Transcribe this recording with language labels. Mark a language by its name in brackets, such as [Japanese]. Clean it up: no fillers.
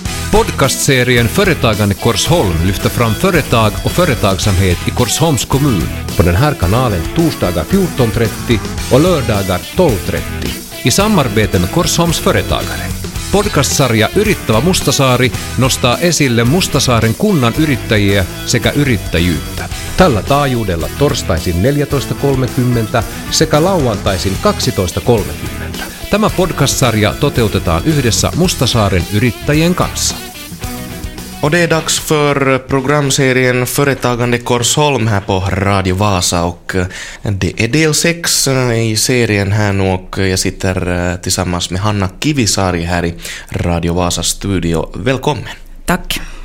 [Swedish] podcastserien Företagande Korsholm lyfter fram företag och företagsamhet i Korsholms kommun på den här kanalen torsdagar 14.30 och lördagar 12.30 i samarbete med Korsholms företagare. [Finnish] Podcastsarja Yrittävä Mustasaari nostaa esille Mustasaaren kunnan yrittäjiä sekä yrittäjyyttä. Tällä taajuudella torstaisin 14.30 sekä lauantaisin 12.30. Tämä podcast-sarja toteutetaan yhdessä Mustasaaren yrittäjien kanssa. [Swedish] Och det är dags för programserien Företagande Korsholm här på Radio Vasa, och det är del 6 i serien här nu, och jag sitter tillsammans med Hanna Kivisaari här i Radio Vasas studio. Välkommen! Tack!